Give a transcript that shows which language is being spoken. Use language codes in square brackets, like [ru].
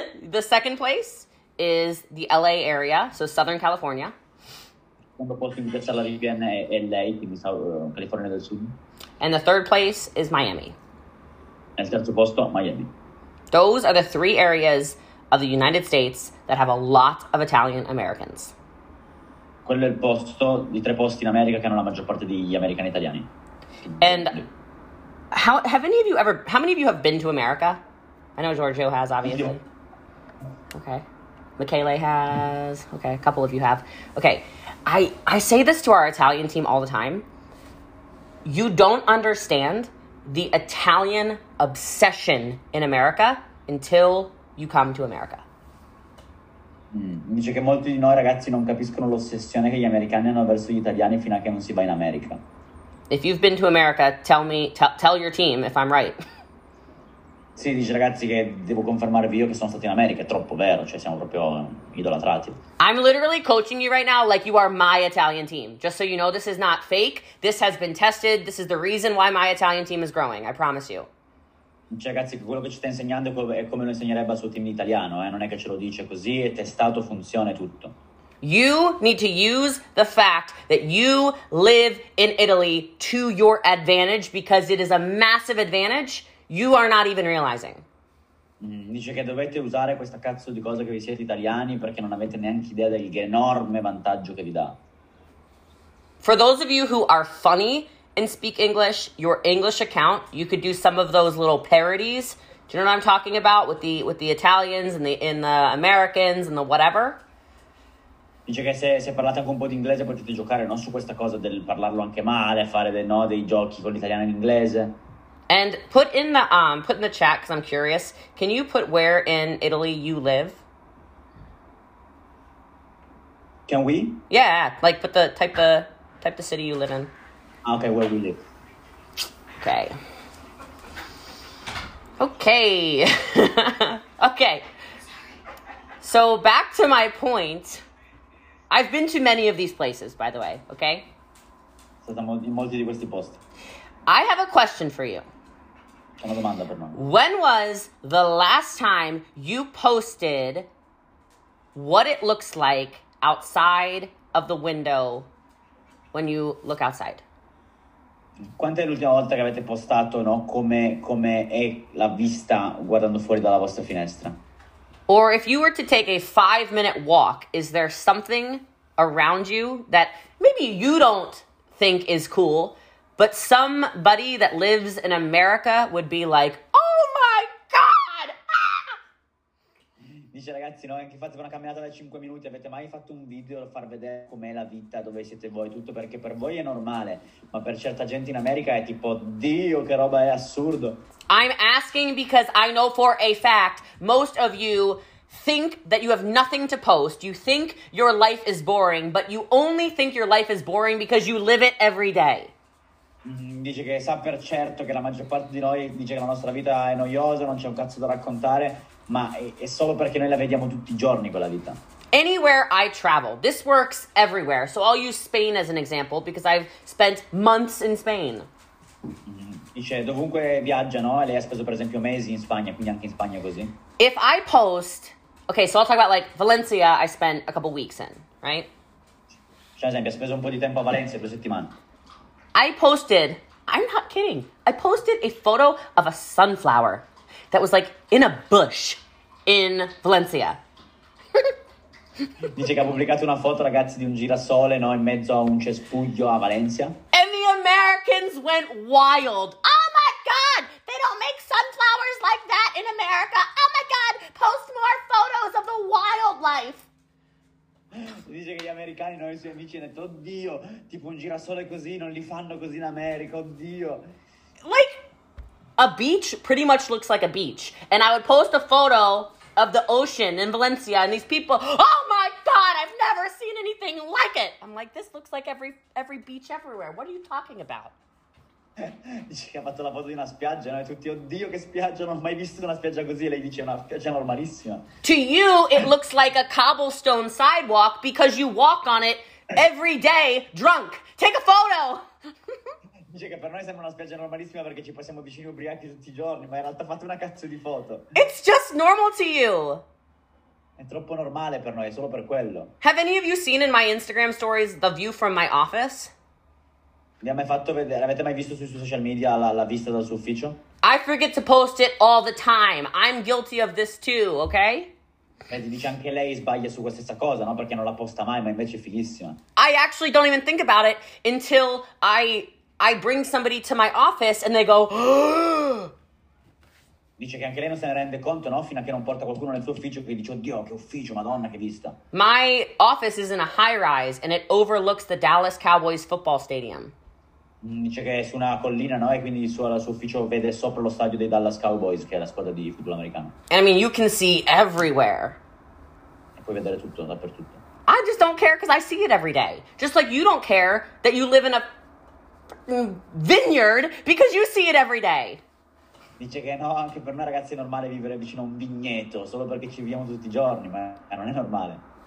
[en] the second place is the LA area, so Southern California. [it] Quando posso invitare la VPN è lei, quindi California del Sud. [en] And the third place is Miami. [it] Nel terzo posto, Miami. [en] Those are the three areas of the United States that have a lot of Italian Americans. [it] Quello è il posto di tre posti in America che hanno la maggior parte degli americani italiani. [en] And how many of you have been to America? I know Giorgio has, obviously. [it] Io. [en] Okay. Michele has. Okay, a couple of you have. Okay. I say this to our Italian team all the time. You don't understand the Italian obsession in America until you come to America. [it] Dice che molti di noi ragazzi non capiscono l'ossessione che gli americani hanno verso gli italiani fino a che non si va in America. [en] If you've been to America, tell your team if I'm right. [it] Sì, dice ragazzi che devo confermarvi io che sono stato in America, è troppo vero, cioè siamo proprio idolatrati. [en] I'm literally coaching you right now like you are my Italian team. Just so you know, this is not fake. This has been tested. This is the reason why my Italian team is growing. I promise you. [it] Cioè, ragazzi, quello che ci sta insegnando è come lo insegnerebbe al suo team italiano, eh? Non è che ce lo dice così, è testato, funziona, è tutto. [en] You need to use the fact that you live in Italy to your advantage because it is a massive advantage. You are not even realizing. [it] Dice che dovete usare questa cazzo di cosa che vi siete italiani perché non avete neanche idea dell'enorme vantaggio che vi dà. [en] For those of you who are funny and speak English, your English account, you could do some of those little parodies. Do you know what I'm talking about with the Italians and the Americans and the whatever? [it] Dice che se parlate anche un po' di inglese potete giocare, no, su questa cosa del parlarlo anche male, fare dei, no, dei giochi con l'italiano e l'inglese. [en] And put in the chat because I'm curious. Can you put where in Italy you live? Can we? Yeah, like put the type the city you live in. Okay, where we live. Okay. Okay. Okay. So back to my point. I've been to many of these places, by the way. Okay. [it] In molti di questi posti. [en] I have a question for you. [it] Una domanda per noi. [en] When was the last time you posted what it looks like outside of the window when you look outside? [it] Quant'è l'ultima volta che avete postato, no, come è la vista guardando fuori dalla vostra finestra? [en] Or if you were to take a 5-minute walk, is there something around you that maybe you don't think is cool, but somebody that lives in America would be like, oh my God! [it] Dice ragazzi, no, anche fate una camminata da 5 minuti, avete mai fatto un video per far vedere com'è la vita, dove siete voi, tutto, perché per voi è normale, ma per certa gente in America è tipo, Dio, che roba è assurdo. [en] I'm asking because I know for a fact, most of you think that you have nothing to post. You think your life is boring, but you only think your life is boring because you live it every day. [it] Dice che sa per certo che la maggior parte di noi dice che la nostra vita è noiosa, non c'è un cazzo da raccontare, ma è solo perché noi la vediamo tutti i giorni quella vita. [en] Anywhere I travel, this works everywhere. So I'll use Spain as an example because I've spent months in Spain. [it] Dice dovunque viaggia, no? Lei ha speso per esempio mesi in Spagna, quindi anche in Spagna così. [en] If I post, okay, so I'll talk about like Valencia I spent a couple weeks in, right? [it] Cioè, ad esempio, ho speso un po' di tempo a Valencia, 2 settimane. [en] I posted, I'm not kidding, I posted a photo of a sunflower that was like in a bush in Valencia. [it] Dice che ha pubblicato una foto, ragazzi, di un girasole, no, in mezzo a un cespuglio a Valencia. [en] And the Americans went wild. Oh my God, they don't make sunflowers like that in America. Oh my God, post more photos of the wildlife. [it] Dice che gli americani, noi suoi amici, hanno detto, oddio, tipo un girasole così, non li fanno così in America, oddio. [en] Like, a beach pretty much looks like a beach. And I would post a photo of the ocean in Valencia, and these people, oh my God, I've never seen anything like it. I'm like, this looks like every beach everywhere. What are you talking about? [it] Dice che ha fatto la foto di una spiaggia, no? E tutti, oddio, che spiaggia, non ho mai visto una spiaggia così. Lei dice, è una spiaggia normalissima. [en] To you, it looks like a cobblestone sidewalk because you walk on it every day drunk. Take a photo! [it] Dice che per noi sembra una spiaggia normalissima perché ci passiamo vicini ubriachi tutti i giorni, ma in realtà fate una cazzo di foto. [en] It's just normal to you. [it] È troppo normale per noi, è solo per quello. [en] Have any of you seen in my Instagram stories the view from my office? [it] Vi ha mai fatto vedere, avete mai visto sui social media la vista dal suo ufficio? [en] I forget to post it all the time. I'm guilty of this too, okay? [it] Vedi, dice anche lei sbaglia su questa cosa, no? Perché non la posta mai, ma invece è fighissima. [en] I actually don't even think about it until I bring somebody to my office and they go, [it] dice che anche lei non se ne rende conto, no? Fino a che non porta qualcuno nel suo ufficio e dice, oddio, che ufficio, madonna, che vista. [en] My office is in a high rise and it overlooks the Dallas Cowboys football stadium. [it] Dice che è su una collina, no? E quindi il suo ufficio vede sopra lo stadio dei Dallas Cowboys, che è la squadra di football americano. [en] And I mean, you can see everywhere. [it] E puoi vedere tutto, dappertutto. [en] I just don't care because I see it every day. Just like you don't care that you live in a vineyard because you see it every day. [it] Dice che no, anche per noi ragazzi è normale vivere vicino a un vigneto, solo perché ci viviamo tutti i giorni, ma non è normale.